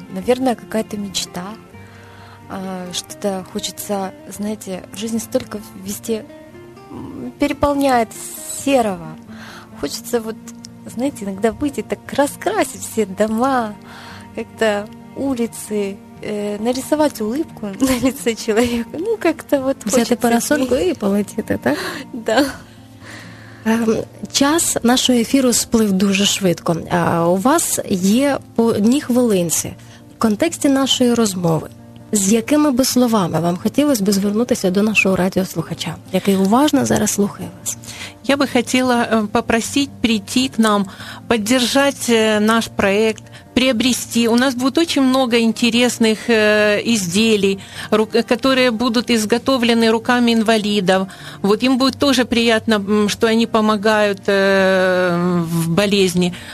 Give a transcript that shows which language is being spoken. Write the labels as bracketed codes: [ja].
[ru] Наверное, какая-то мечта. Что-то хочется, знаете, в жизни столько везде переполняет серого. Хочется вот, знаете, иногда выйти так раскрасить все дома, как-то улицы, нарисовать улыбку на лице человека. Ну, как-то вот взять хочется. [uk] Взяти парасольку и полетіти, так? [ru] Да. [uk] Час нашого ефіру сплив дуже швидко. У вас є по одній хвилинці. В контексті нашої розмови, з якими би словами вам хотілося би звернутися до нашого радіослухача, який уважно зараз слухає вас? Я би хотіла попросити прийти к нам, підтримати наш проєкт, приобрести. [ru] У нас будет очень много интересных изделий, которые будут изготовлены руками инвалидов. Вот им будет тоже приятно, что они помогают в болезни.